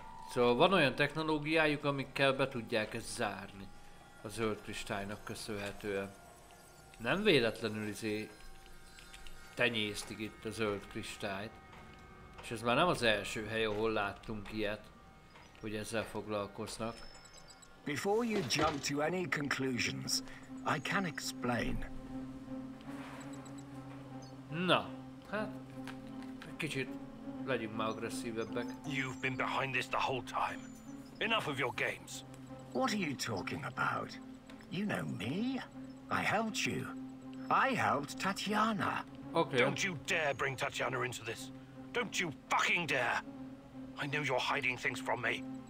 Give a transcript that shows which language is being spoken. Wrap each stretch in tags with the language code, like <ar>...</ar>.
<hu>Szóval van olyan technológiájuk, amikkel be tudják ezt zárni. A zöld kristálynak köszönhetően. Nem véletlenül izé tenyésztik itt a zöld kristályt. És ez már nem az első hely, ahol láttunk ilyet, hogy ezzel foglalkoznak.</hu> <en>Before you jump to any conclusions, I can explain.</en> <hu>Na, hát, egy kicsit legyünk már agresszívebbek.</hu> <en>You've been behind this the whole time. Enough of your games. What are you talking about? You know me? I helped you. I helped Tatiana. Okay. Don't you dare bring Tatiana into this. Don't you fucking dare. I know you're hiding things from me.</en>